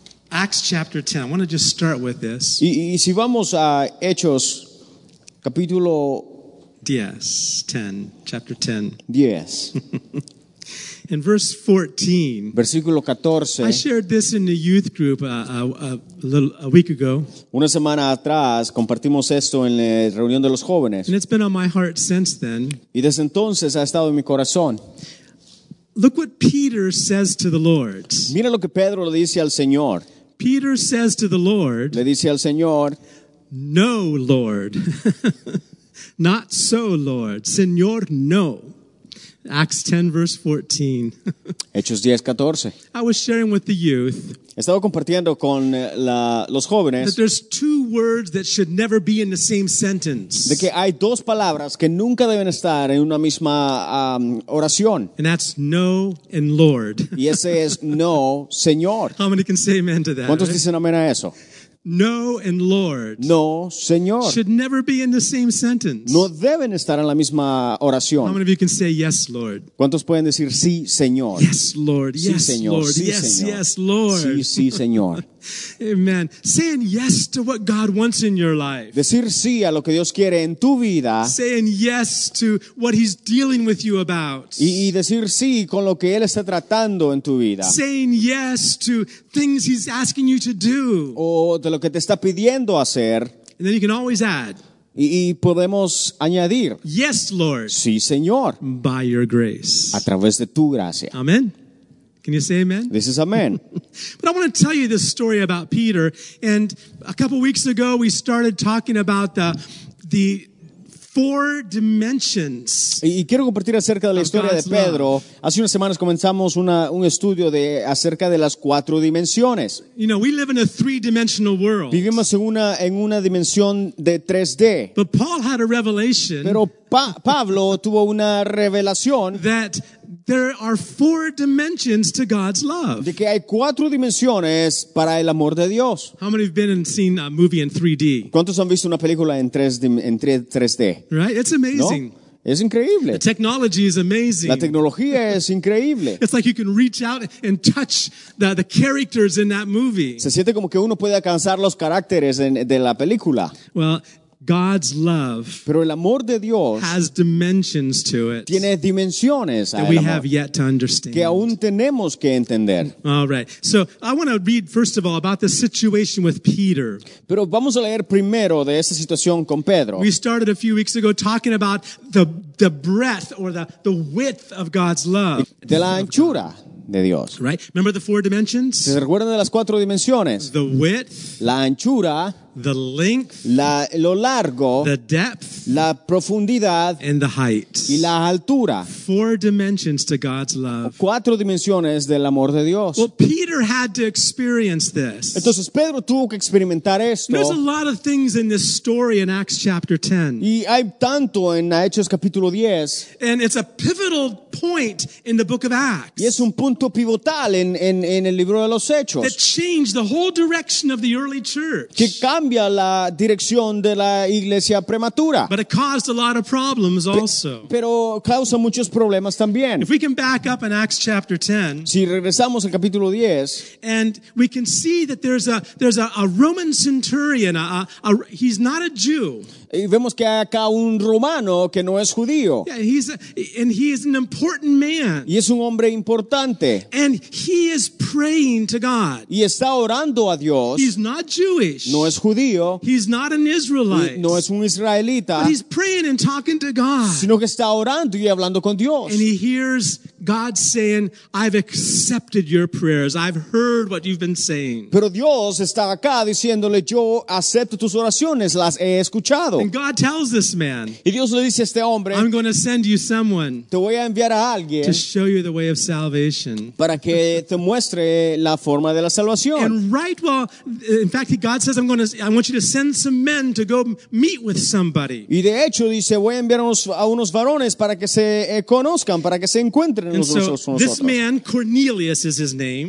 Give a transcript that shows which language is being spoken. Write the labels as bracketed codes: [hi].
[en] Acts chapter 10. I want to just start with this. [es] Y si vamos a Hechos capítulo 10, [en] chapter 10. 10. In verse 14. [es] Versículo 14. [en] I shared this in the youth group a week ago. [es] Una semana atrás compartimos esto en la reunión de los jóvenes. [en] And it's been on my heart since then. [es] Y desde entonces ha estado en mi corazón. [en] Look what Peter says to the Lord. [es] Mira lo que Pedro le dice al Señor. [en] Peter says to the Lord. [es] Le dice al Señor. [en] No, Lord. Not so, Lord. [es] Señor, no. [en] Acts 10, verse 14. [es] Hechos 10, 14. [en] I was sharing with the youth. [es] Estaba compartiendo con los jóvenes. [en] That there's two words that should never be in the same sentence. [es] De que hay dos palabras que nunca deben estar en una misma oración. [en] And that's no and Lord. [es] Y ese es no, Señor. [en] How many can say amen to that? [es] ¿Cuántos dicen amén a eso? [en] No and Lord. [es] No, Señor. [en] Should never be in the same sentence. [es] No deben estar en la misma oración. [en] How many of you can say yes, Lord? [es] ¿Cuántos pueden decir sí, Señor? [en] Yes, Lord. [es] Sí, [en] yes, [es] Señor. [en] Lord. [es] Sí, [en] yes, [es] Señor. [en] Yes, Lord. [es] Sí, sí, Señor. [en] Amen. Saying yes to what God wants in your life. [es] Decir sí a lo que Dios quiere en tu vida. [en] Saying yes to what He's dealing with you about. [es] Y decir sí con lo que Él está tratando en tu vida. [en] Saying yes to things He's asking you to do. [es] O de lo que te está pidiendo hacer. [en] And then you can always add. [es] Y podemos añadir. [en] Yes, Lord. [es] Sí, Señor. [en] By your grace. [es] A través de tu gracia. [en] Amen. Can you say amen? This is amen. But I want to tell you this story about Peter. And a couple weeks ago, we started talking about the four dimensions. [es] Y quiero compartir acerca de la historia de Pedro. Hace unas semanas comenzamos un estudio de acerca de las cuatro dimensiones. [en] You know, we live in a three-dimensional world. [es] Vivimos en una dimensión de 3D. [en] But Paul had a revelation. [es] Pero Pablo tuvo una revelación. [en] That there are four dimensions to God's love. [es] De que hay cuatro dimensiones para el amor de Dios. [en] How many have been and seen a movie in 3D? [es] ¿Cuántos han visto una película en 3D? [en] Right? It's amazing. [es] ¿No? Es increíble. [en] The technology is amazing. [es] La tecnología es increíble. [en] It's like you can reach out and touch the characters in that movie. [es] Se siente como que uno puede alcanzar los caracteres de la película. [en] Well, God's love, [es] pero el amor de Dios, [en] has dimensions to it. [es] Tiene dimensiones [en] that we have yet to understand. [es] Que aún tenemos que entender. [en] All right. So I want to read first of all about the situation with Peter. [es] Pero vamos a leer primero de esta situación con Pedro. [en] We started a few weeks ago talking about the breadth or the width of God's love. [es] De la anchura de Dios. [en] Right. Remember the four dimensions? [es] ¿Se recuerdan de las cuatro dimensiones? [en] The width, [es] la anchura. [en] The length, [es] lo largo, [en] the depth, [es] la profundidad, [en] and the height, [es] y la altura. [en] Four dimensions to God's love. [es] Cuatro dimensiones del amor de Dios. [en] Well, Peter had to experience this. [es] Entonces Pedro tuvo que experimentar esto. [en] There's a lot of things in this story in Acts chapter 10. [es] Y hay tanto en Hechos capítulo 10. [en] And it's a pivotal point in the book of Acts. [es] Y es un punto pivotal en el libro de los Hechos. [en] That changed the whole direction of the early church. [es] Cambia la dirección de la iglesia prematura. [en] But it caused a lot of problems also. [es] Pero causa muchos problemas también. [en] If we can back up in Acts chapter 10. [es] Si regresamos al capítulo 10. [en] And we can see that there's a Roman centurion. He's not a Jew. [es] Y vemos que hay acá un romano que no es judío. [en] Yeah, he is an important man. [es] Y es un hombre importante. [en] And he is praying to God. [es] Y está orando a Dios. [en] He's not Jewish. [es] No es judío. [en] He's not an Israelite. [es] No es un israelita. [en] But he's praying and talking to God. [es] Sino que está orando y hablando con Dios. [en] And he hears God saying, I've accepted your prayers. I've heard what you've been saying. [es] Pero Dios está acá diciéndole, yo acepto tus oraciones, las he escuchado. [en] And God tells this man, [es] y Dios le dice a este hombre, [en] I'm going to send you someone, [es] te voy a enviar a alguien, [en] to show you the way of salvation. [es] Para que te muestre la forma de la salvación. [en] And right while, in fact, God says, I want you to send some men to go meet with somebody. [es] Y de hecho dice, voy a enviar a unos varones para que se conozcan, para que se encuentren unos con nosotros. [en] And so this man, Cornelius is his name.